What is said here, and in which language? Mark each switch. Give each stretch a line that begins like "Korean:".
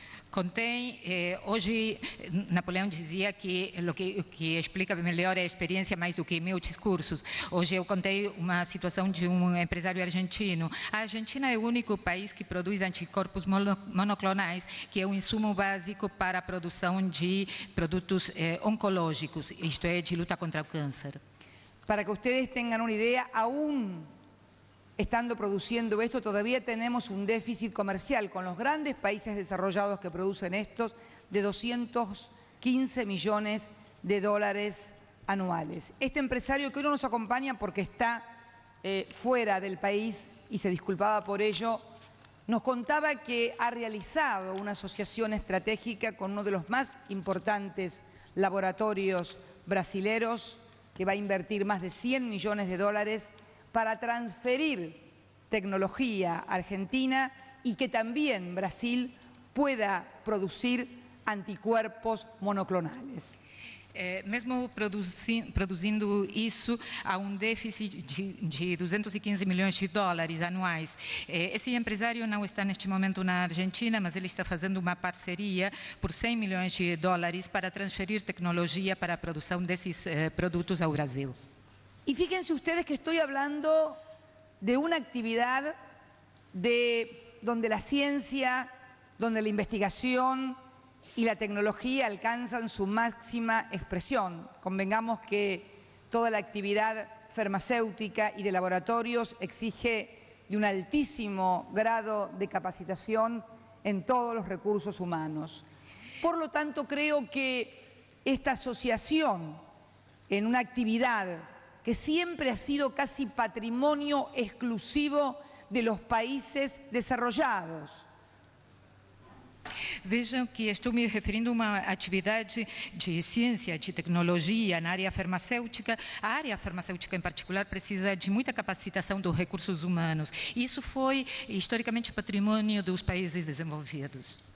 Portuguese: Contém, hoje Napoleão dizia que o que explica melhor é a experiência mais do que mil discursos. Hoje eu contei uma situação de um empresário argentino. A Argentina é o único país que produz anticorpos monoclonais, que é um insumo básico para a produção de produtos oncológicos, isto é, de luta contra o câncer.
Spanish: Para que ustedes tengan una idea, aún estando produciendo esto, todavía tenemos un déficit comercial con los grandes países desarrollados que producen estos de 215 millones de dólares anuales. Este empresario que hoy no nos acompaña porque está fuera del país y se disculpaba por ello, nos contaba que ha realizado una asociación estratégica con uno de los más importantes laboratorios brasileros, que va a invertir más de 100 millones de dólares para transferir tecnología a Argentina y que también Brasil pueda producir anticuerpos monoclonales.
Portuguese: Mesmo produzindo isso, há um déficit de 215 milhões de dólares anuais. Esse empresário não está neste momento na Argentina, mas ele está fazendo uma parceria por 100 milhões de dólares para transferir tecnologia para a produção desses produtos ao Brasil. E
Spanish: fíjense ustedes
Portuguese: que estou falando de uma atividade de onde a ciência, onde a investigação
Spanish: y la tecnología alcanzan su máxima expresión. Convengamos que toda la actividad farmacéutica y de laboratorios exige de un altísimo grado de capacitación en todos los recursos humanos. Por lo tanto, creo que esta asociación en una actividad que siempre ha sido casi patrimonio exclusivo de los países desarrollados.
Portuguese: Vejam que estou me referindo a uma atividade de ciência, de tecnologia na área farmacêutica. A área farmacêutica, em particular, precisa de muita capacitação dos recursos humanos. Isso foi historicamente patrimônio dos países desenvolvidos.